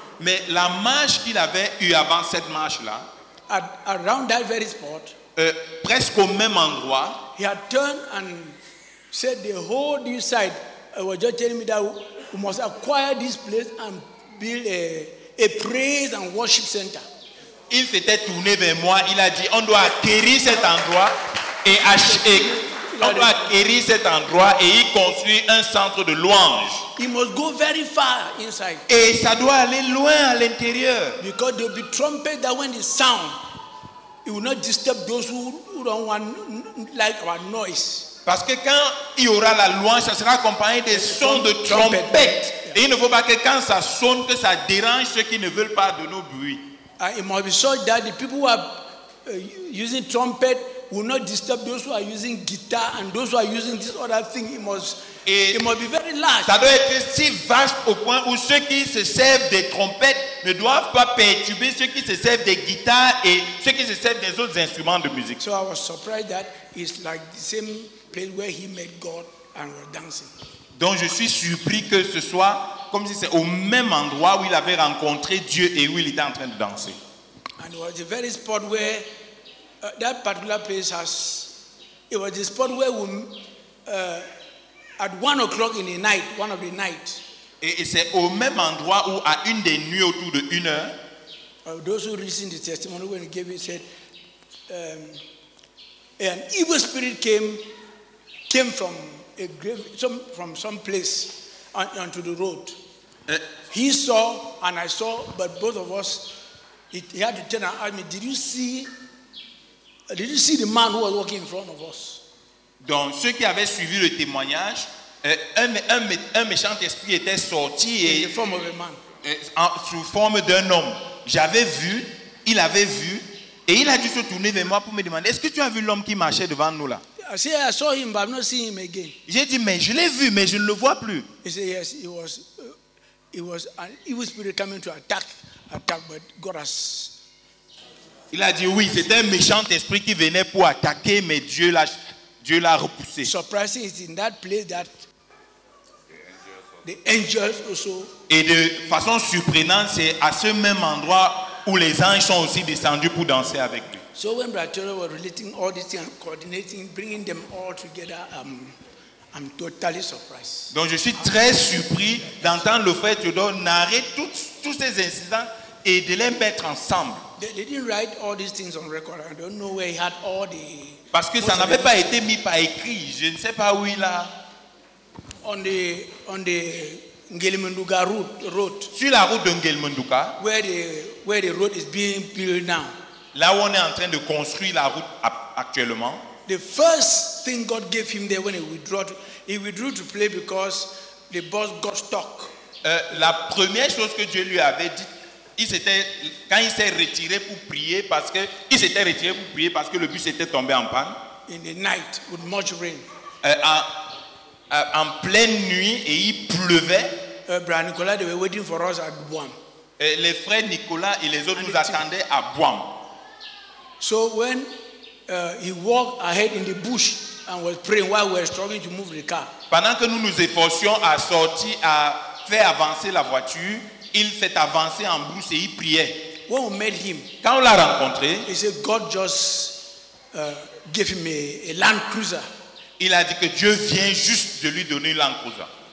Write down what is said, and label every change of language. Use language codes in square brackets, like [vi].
[fr] Mais la marche qu'il avait eu avant cette marche là. [en] Around that very spot. [fr] Presque au même endroit. [en] He had turned and said the whole this side. He was just telling me that we must acquire this place and build a praise and worship center. [fr] Il s'était tourné vers moi. Il a dit, on doit acquérir cet endroit et acheter. On doit acquérir cet endroit et y construire un centre de louange. [en] It must go very far inside. [fr] Et ça doit aller loin à l'intérieur. [en] Because there will be trumpets that when they sound, it will not disturb those who don't want like our noise. [fr] Parce que quand il y aura la louange, ça sera accompagné des sons de trompette. Yeah. Et il ne faut pas que quand ça sonne, que ça dérange ceux qui ne veulent pas de nos bruits. [en] It must be such that the people who are using trumpet will not disturb those who are using guitar and those who are using this other thing. It must be very large. [fr] Ça doit être si vaste au point où ceux qui se servent des trompettes ne doivent pas perturber ceux qui se servent des guitares et ceux qui se servent des autres instruments de musique. [en] So I was surprised that it's like the same place where he met God and were dancing. [fr] Donc je suis surpris que ce soit comme si c'est au même endroit où il avait rencontré Dieu et où il était en train de danser. [en] And it was the very spot where that particular place has. It was the spot where we at 1 o'clock in the night, one of the nights. [fr] Et c'est au même endroit où à une des nuits autour de 1 heure. [en] Those who listened to the testimony when he gave it said, an evil spirit came from a grave, from some place onto the road. He saw and I saw, but both of us, he had to turn and ask me, did you see the man who was walking in front of us? [fr] Donc ceux qui avaient suivi le témoignage, un méchant esprit était sorti et [en] in the form of a man. [fr] Sous forme d'un homme. J'avais vu, il avait vu, et il a dû se tourner vers moi pour me demander, est-ce que tu as vu l'homme qui marchait devant nous là? [en] I said I saw him, but I've not seen him again. [fr] J'ai dit mais je l'ai vu, mais je ne le vois plus. [en] He said yes, it was an evil spirit coming to attack, but God has. [fr] Il a dit oui, c'était un méchant esprit qui venait pour attaquer, mais Dieu l'a repoussé. [en] Surprising is in that place that the angels also. [fr] Et de façon surprenante, c'est à ce même endroit où les anges sont aussi descendus pour danser avec lui. [en] So when Brother was relating all these things, coordinating, bringing them all together, I'm totally surprised. [fr] Donc je suis très surpris d'entendre le frère Théodore narrer tous ces incidents et de les mettre ensemble. [en] They didn't write all these things on record. I don't know where he had all the. [fr] Parce que ça n'avait pas été mis par écrit. Je ne sais pas où il a. [en] On the Ngelimunduka road. [fr] Sur la route de Ngelimunduka. [en] Where the road is being built now. [fr] Là où on est en train de construire la route actuellement. [en] The first thing God gave him there when he withdrew to play because the bus got stuck. [fr] La première chose que Dieu lui avait dit, quand il s'est retiré pour prier parce que le bus était tombé en panne. [en] in the night with much rain. [fr] En pleine nuit et il pleuvait. [en] Brother Nicolas, they were waiting for us at Bouam. [fr] Les frères Nicolas et les autres nous attendaient à Bouam. [en] So when he walked ahead in the bush and was praying while we were struggling to move the car. [fr] Pendant que nous nous efforcions à sortir, à faire avancer la voiture, il fait avancer en bush et il priait. [en] When we met him, [fr] quand on l'a rencontré, [en] he said, God just gave him a Land Cruiser. [fr] Il a dit que Dieu vient juste de lui donner Land Cruiser.